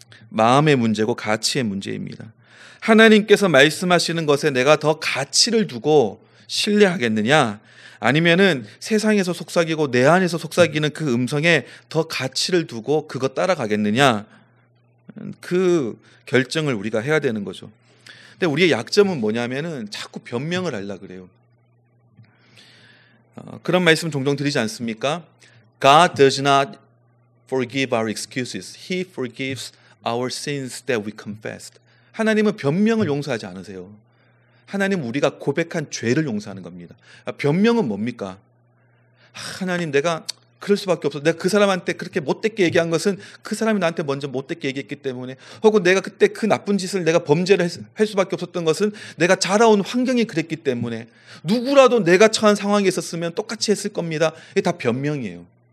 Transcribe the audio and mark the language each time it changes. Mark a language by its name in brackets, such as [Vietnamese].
[Korean] 마음의 문제고 가치의 문제입니다. 하나님께서 말씀하시는 것에 내가 더 가치를 두고 신뢰하겠느냐 아니면은 세상에서 속삭이고 내 안에서 속삭이는 그 음성에 더 가치를 두고 그거 따라가겠느냐 그 결정을 우리가 해야 되는 거죠. 근데 우리의 약점은 뭐냐면은 자꾸 변명을 하려고 그래요. 그런 말씀 종종 드리지 않습니까? [English] God does not forgive our excuses. He forgives our sins that we confessed. [Korean] 하나님은 변명을 용서하지 않으세요. 하나님은 우리가 고백한 죄를 용서하는 겁니다. 변명은 뭡니까? 하나님 내가 그럴 수밖에 없어. 내가 그 사람한테 그렇게 못됐게 얘기한 것은 그 사람이 나한테 먼저 못됐게 얘기했기 때문에 혹은 내가 그때 그 나쁜 짓을 내가 범죄를 할 수밖에 없었던 것은 내가 자라온 환경이 그랬기 때문에 누구라도 내가 처한 상황이 있었으면 똑같이 했을 겁니다. 이게 다 변명이에요.